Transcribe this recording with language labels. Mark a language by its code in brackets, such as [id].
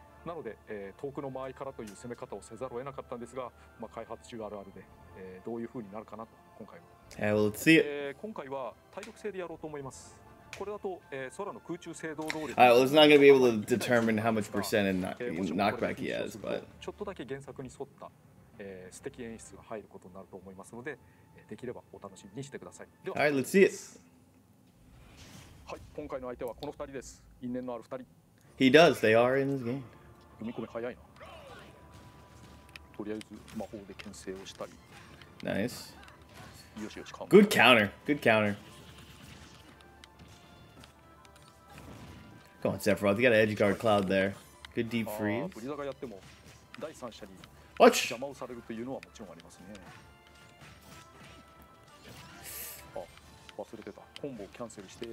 [ja] なので、遠くの間合いからという攻め方をせざるを得なかったんですが、まあ、開発中あるあるで、どういう風になるかなと今回は。今回は体力制でやろうと思います。これだと、空の空中制動動力。 [en] はい、well, it's not gonna be able to determine how much percent in knockback he has, but [ja] ちょっとだけ原作に沿った、素敵演出が入ることになると思いますので、できればお楽しみにしてください。 [en] はい、let's see it。 [ja] はい、今回の相手はこの二人です。因縁のある二人。 [en] He does. They are in this game. [ja] 読み込み早いな。とりあえず魔法で牽制をしたり。ナイス。よしよし。 [en] Good counter. Good counter. Come on, Sephiroth. You got an edge guard cloud there. Good deep freeze. [ja] ブリザがやっても第三者に邪魔をされるというのはもちろんありますね。あ、忘れてた。コンボをキャンセルして。